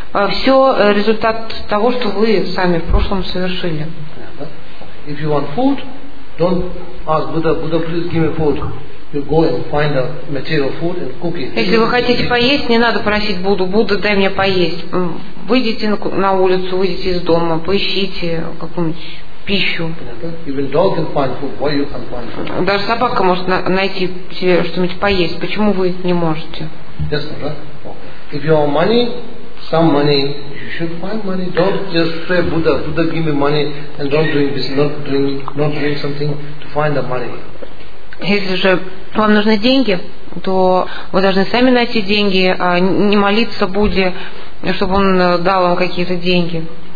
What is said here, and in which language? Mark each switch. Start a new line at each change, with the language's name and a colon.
Russian: Все результат того, что вы сами в прошлом совершили.
English: If you want food, don't ask Buddha, Buddha, please give me food. You go and find a material food and cook it.
Russian: Если вы хотите поесть, не надо просить Будду, Будда, дай мне поесть. Выйдите на улицу, выйдите из дома, поищите какую-нибудь пищу.
English: Even dog can find food. Why you can't find food?
Russian: Даже собака может найти себе что-нибудь поесть. Почему вы не можете?
English: Yes, sir. If you have money, some money, you should find money. Don't just pray Buddha, Buddha give me money and don't doing this, not doing something to find the money.
Russian: Если же вам нужны деньги, то вы должны сами найти деньги, а не молиться Будде, чтобы он дал вам какие-то деньги.